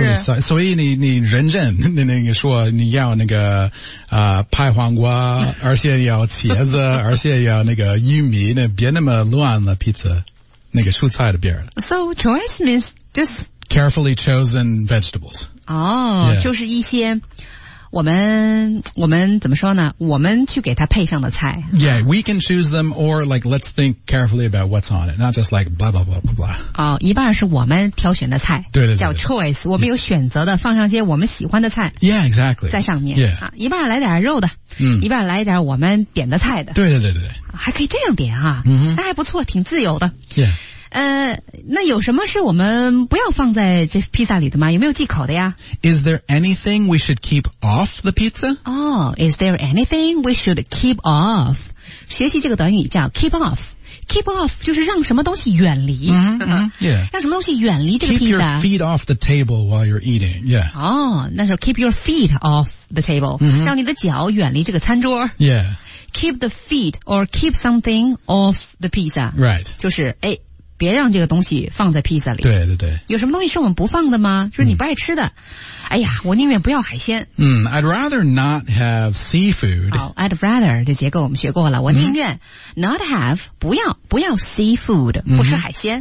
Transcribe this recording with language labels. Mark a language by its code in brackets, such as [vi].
[zh] Yes, really、所以你人人那个说你要那个拍黄瓜而且要茄子而且要那个玉米那别那么乱了 pizza, 那个蔬菜的边儿。 [en] So, choice means just carefully chosen vegetables. 哦、oh, yeah. [zh] 就是一些我们怎么说呢我们去给它配上的菜。 [en] Yeah, we can choose them or like, let's think carefully about what's on it, not just like blah blah blah blah blah. [zh] 好、哦、一半是我们挑选的菜。对 对, 对, 对叫 choice, 我们有选择的、yeah. 放上一些我们喜欢的菜。 [en] Yeah, exactly. [zh] 在上面。 [en] Yeah.、 [zh] 啊、一半来点肉的、嗯、一半来点我们点的菜的。对对对对。还可以这样点啊、嗯、那还不错挺自由的。 [en] Yeah. [zh] 那有什么是我们不要放在这披萨里的吗有没有忌口的呀 [en] Is there anything we should keep off the pizza? Oh, is there anything we should keep off? [zh] 学习这个短语叫 keep off. Keep off 就是让什么东西远离。 [en] 嗯、mm-hmm, yeah. [zh] 让什么东西远离这个披萨。 [en] Keep your feet off the table while you're eating, yeah. [zh] 哦、oh, 那时候 [en] keep your feet off the table,、 mm-hmm. [zh] 让你的脚远离这个餐桌。 [en] Yeah. Keep the feet or keep something off the pizza. Right. [zh] 就是诶别让这个东西放在披萨里。对对对。有什么东西是我们不放的吗就是你不爱吃的、嗯。哎呀我宁愿不要海鲜。 [en] 嗯 ,I'd rather not have seafood. [zh] 好、oh, , [en] I'd rather, [zh] 这结构我们学过了。我宁愿 not have, 不要 seafood, 不吃海鲜、